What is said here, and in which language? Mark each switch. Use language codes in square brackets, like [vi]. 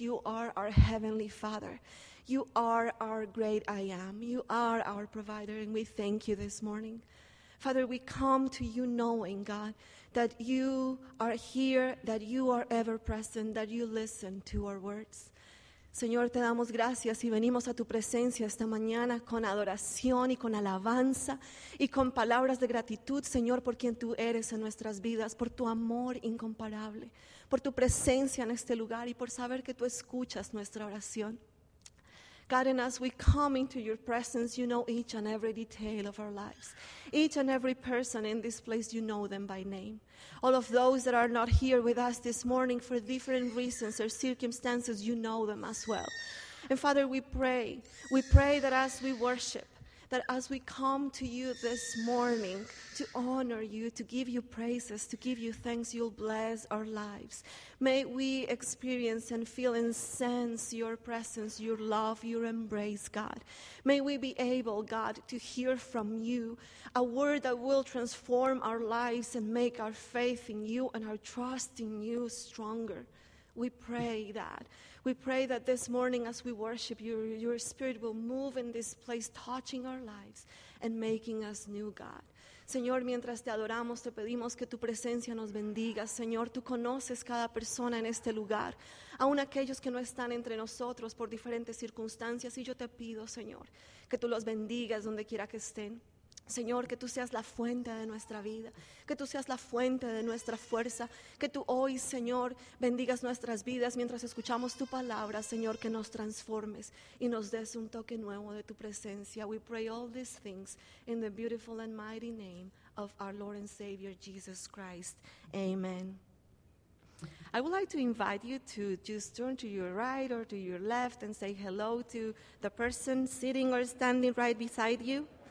[en] You are our Heavenly Father. You are our great I Am. You are our provider, and we thank you this morning. Father, we come to you knowing, God, that you are here, that you are ever present, that you listen to our words. [es] Señor, te damos gracias y venimos a tu presencia esta mañana con adoración y con alabanza y con palabras de gratitud, Señor, por quien tú eres en nuestras vidas, por tu amor incomparable, por tu presencia en este lugar y por saber que tú escuchas nuestra oración. [en] God, and as we come into your presence, you know each and every detail of our lives. Each and every person in this place, you know them by name. All of those that are not here with us this morning for different reasons or circumstances, you know them as well. And Father, we pray that as we worship, that as we come to you this morning to honor you, to give you praises, to give you thanks, you'll bless our lives. May we experience and feel and sense your presence, your love, your embrace, God. May we be able, God, to hear from you a word that will transform our lives and make our faith in you and our trust in you stronger. We pray that. We pray that this morning as we worship, your spirit will move in this place, touching our lives and making us new, God. [es] Señor, mientras te adoramos, te pedimos que tu presencia nos bendiga. Señor, tú conoces cada persona en este lugar, aun aquellos que no están entre nosotros por diferentes circunstancias. Y yo te pido, Señor, que tú los bendigas donde quiera que estén. Señor, que tú seas la fuente de nuestra vida, que tú seas la fuente de nuestra fuerza, que tú hoy, Señor, bendigas nuestras vidas mientras escuchamos tu palabra, Señor, que nos transformes y nos des un toque nuevo de tu presencia. [en] We pray all these things in the beautiful and mighty name of our Lord and Savior, Jesus Christ. Amen. I would like to invite you to just turn to your right or to your left and say hello to the person sitting or standing right beside you.